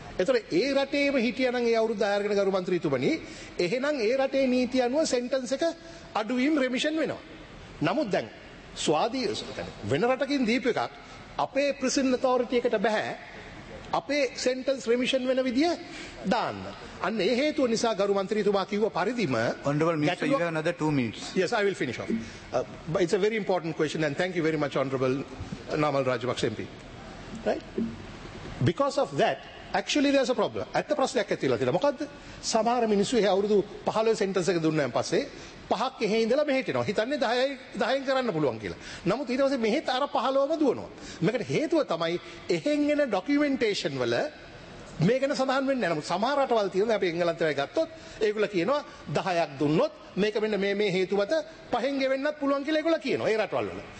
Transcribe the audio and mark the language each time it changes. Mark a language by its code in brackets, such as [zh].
[si] ඒතර ඒ රටේම හිටියනම් ඒ අවුරුද්ද අය අරගෙන ගරු මන්ත්‍රීතුමනි, එහෙනම් ඒ රටේ නීති අනුව සෙන්ටන්ස් එක අඩුවීම් රෙමිෂන් වෙනවා. නමුත් දැන් ස්වාධීන වෙන රටකින් දීපු එකක් අපේ ප්‍රිසන් ඇතොරිටි එකට බෑ අපේ සෙන්ටන්ස් රෙමිෂන් වෙන විදිය දාන්න. අන්න ඒ හේතුව නිසා ගරු මන්ත්‍රීතුමා කිව්ව පරිදිම [en] honorable minister you have another 2 minutes. Yes, I will finish off. But it's a very important question and thank you very much honorable Namal Rajapakse MP. Right? Because of that actually there's a problem. [si] අත්ත ප්‍රශ්නයක් ඇතිලා තියෙනවා. මොකද්ද? සමහර මිනිස්සු එහේ අවුරුදු 15 sentence එක දුන්නාන් පස්සේ පහක් එහේ ඉඳලා මෙහෙට එනවා. හිතන්නේ 10යි 10ෙන් කරන්න පුළුවන් කියලා. නමුත් ඊට පස්සේ මෙහෙත් අර 15ම දුවනවා. මේකට හේතුව තමයි එහෙන් එන documentation වල මේක ගැන සඳහන් වෙන්නේ නැහැ. නමුත් සමහර රටවල් තියෙනවා අපි එංගලන්තයයි ගත්තොත් ඒගොල්ලෝ කියනවා 10ක් දුන්නොත් මේක මෙන්න මේ හේතු මත පහෙන් ගෙවෙන්නත් පුළුවන් කියලා ඒගොල්ලෝ කියනවා ඒ රටවල් වල.